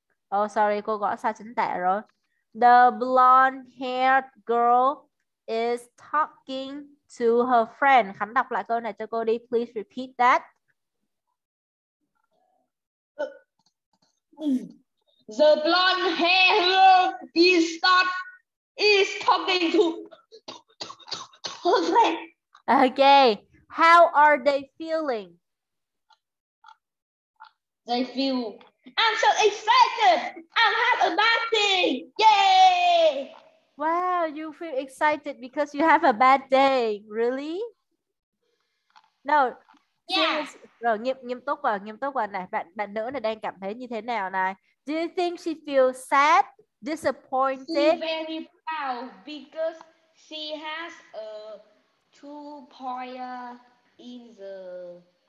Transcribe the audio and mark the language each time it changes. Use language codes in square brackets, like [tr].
[en] Oh, sorry, [vi] cô gõ sai chính tả rồi. [en] The blonde-haired girl is talking to her friend. [vi] Khánh đọc lại câu này cho cô đi. [en] Please repeat that. The blonde-haired girl is talking to her friend. Okay. How are they feeling? They feel... I'm so excited! I'm have a bad day! Yay! Wow, you feel excited because you have a bad day. Really? No. Yes. [vi] Rồi, nghiêm túc vào này. Bạn nữ này đang cảm thấy như thế nào này? [en] Do you think she feels sad? Disappointed? She's very proud because she has a 2 points in the...